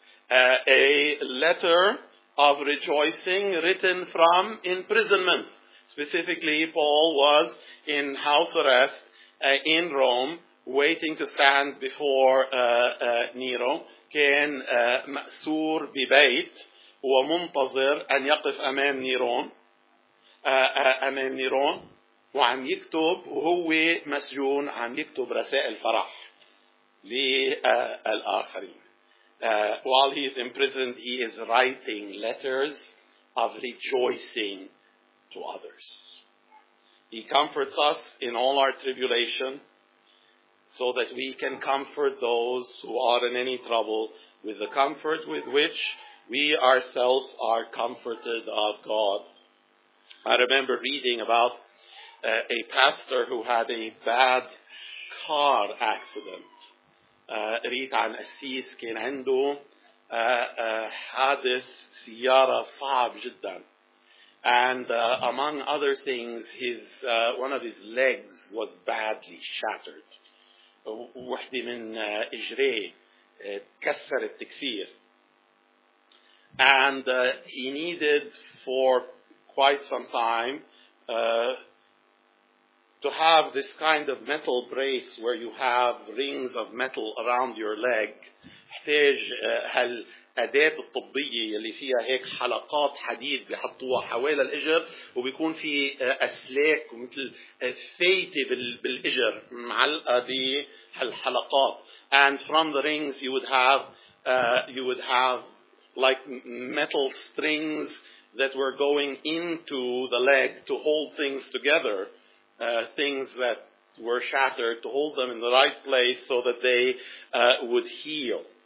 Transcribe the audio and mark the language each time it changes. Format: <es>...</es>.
<en>A letter of rejoicing written from imprisonment. Specifically, Paul was in house arrest in Rome, waiting to stand before Nero.</en> <ar>كان مأسور ببيت ومنتظر أن يقف أمام نيرون. أمام نيرون وعم يكتب وهو مسجون عم يكتب رسائل فرح للآخرين.</ar> <en>While he is imprisoned, he is writing letters of rejoicing to others. He comforts us in all our tribulation so that we can comfort those who are in any trouble with the comfort with which we ourselves are comforted of God. I remember reading about a pastor who had a bad car accident.</en> <ar>ريت عن أسيس كان عنده حادث سيارة صعب جدا.</ar> <en>And among other things, his one of his legs was badly shattered.</en> <ar>وحدة من إجريه تكسرت كثير.</ar> <en>And he needed for quite some time to have this kind of metal brace where you have rings of metal around your leg.</en> <ar>احتاج هالأداة الطبية اللي فيها هيك حلقات حديد بيحطوها حوالي الإجر وبيكون في أسلاك مثل فايتة بالإجر معلقة بهالحلقات.</ar> <en>And from the rings you would have like metal strings that were going into the leg to hold things together, things that were shattered, to hold them in the right place so that they would heal.</en>